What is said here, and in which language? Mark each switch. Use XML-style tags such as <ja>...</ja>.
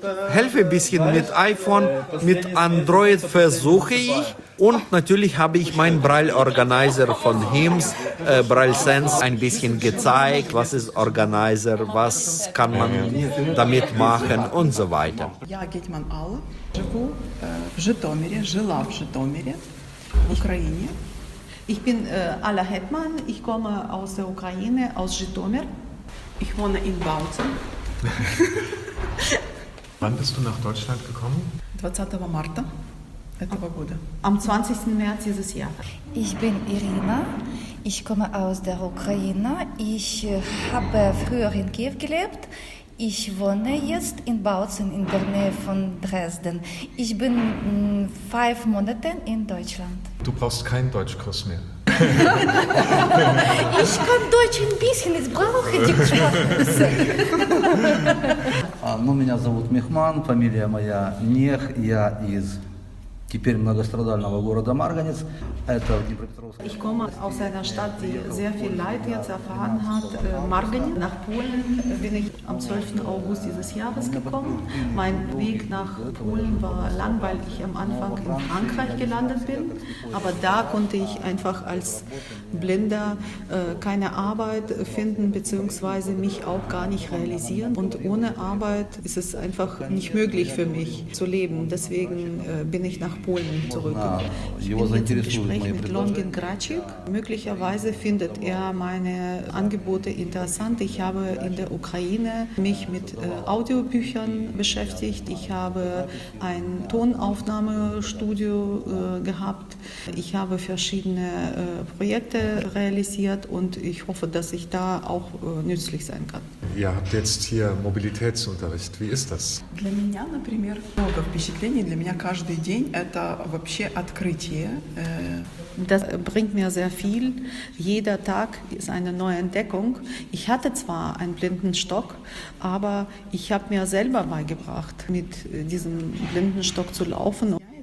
<de>Helfe ein bisschen mit iPhone, mit Android versuche ich. Und natürlich habe ich meinen Braille-Organizer von HIMSS, BrailleSense, ein bisschen gezeigt. Was ist Organizer, was kann man damit machen und so weiter. Ja, geht man alle. Ich bin in Zhytomyr,</de> <ru>жила в Житомире, в Украине.</ru> <de>Ich bin Alla Hetman, ich komme aus der Ukraine, aus Zhytomyr. Ich wohne in Bautzen. Wann bist du nach Deutschland gekommen? 20. März. Am 20. März dieses Jahres. Ich bin Irina, ich komme aus der Ukraine. Ich habe früher in Kiew gelebt. Ich wohne jetzt in Bautzen in der Nähe von Dresden. Ich bin 5 Monate in Deutschland. Du brauchst keinen Deutschkurs mehr. Ich kann Deutsch ein bisschen, ich brauche die Sprache.</de> <ru>Ну, меня зовут Мехман, фамилия моя Мех, я из теперь многострадального города Марганец. Это в Днепропетровске.</ru> <de>Ich komme aus einer Stadt, die sehr viel Leid jetzt erfahren hat, Marganec. Nach Polen bin ich am 12. August dieses Jahres gekommen. Mein Weg nach Polen war lang, weil ich am Anfang in Frankreich gelandet bin. Aber da konnte ich einfach als Blinder keine Arbeit finden bzw. mich auch gar nicht realisieren. Und ohne Arbeit ist es einfach nicht möglich für mich zu leben. Deswegen bin ich nach Polen zurück. Ich spreche mit Longin Gracik. Möglicherweise findet er meine Angebote interessant. Ich habe in der Ukraine mich mit Audiobüchern beschäftigt. Ich habe ein Tonaufnahmestudio gehabt. Ich habe verschiedene Projekte realisiert und ich hoffe, dass ich da auch nützlich sein kann. Ihr habt jetzt hier Mobilitätsunterricht. Wie ist das?</de> <ru>Для меня, например, много впечатлений. Для меня каждый день это вообще открытие.</ru> <de>Das bringt mir sehr viel. Jeder Tag ist eine neue Entdeckung. Ich hatte zwar einen Blindenstock, aber ich habe mir selber beigebracht, mit diesem Blindenstock zu laufen.</de>